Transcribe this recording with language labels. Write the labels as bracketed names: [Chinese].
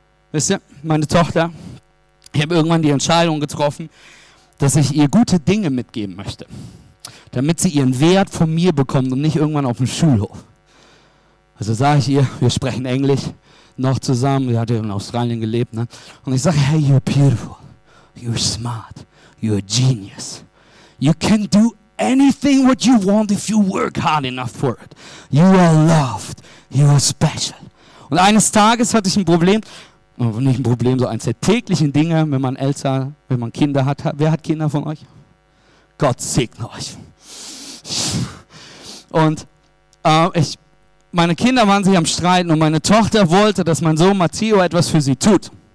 [German] Wisst ihr, meine Tochter, ich habe irgendwann die Entscheidung getroffen, dass ich ihr gute Dinge mitgeben möchte, damit sie ihren Wert von mir bekommt und nicht irgendwann auf dem Schulhof. Also sage ich ihr, wir sprechen Englisch noch zusammen, sie hat ja in Australien gelebt, ne? Und ich sage, [English] hey, you're beautiful, you're smart, you're a genius, you can do anything what you want if you work hard enough for it. You are loved, you are special. [German] Und eines Tages hatte ich ein Problem, nicht ein Problem, so eins der täglichen Dinge, wenn man Eltern, wenn man Kinder hat. Wer hat Kinder von euch? Gott segne euch. Und meine Kinder waren sich am Streiten und meine Tochter wollte, dass mein Sohn Matteo etwas für sie tut.